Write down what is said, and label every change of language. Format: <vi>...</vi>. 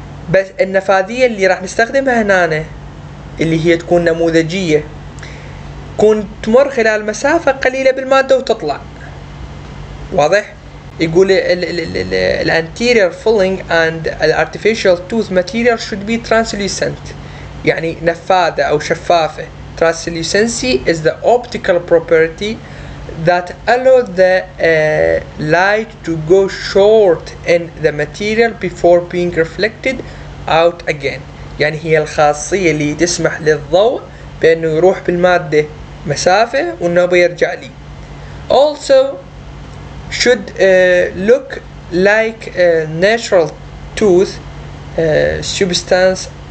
<ar>بس النفاذيه اللي راح نستخدمها هنا اللي هي تكون نموذجيه، تكون تمر خلال مسافه قليله بالماده وتطلع. واضح؟ يقول</ar> <en>الانتيرير filling and الارتفيشال tooth material should be translucent,</en> <ar>يعني نفاذه او شفافه.</ar> <en>Translucency is the optical property that allows the light to go short in the material before being reflected out again.</en> <ar>يعني هي الخاصية اللي تسمح للضوء بأنه يروح بالمادة مسافة وأنه بيرجع لي.</ar> <en>Also should look like a natural tooth substance.</en>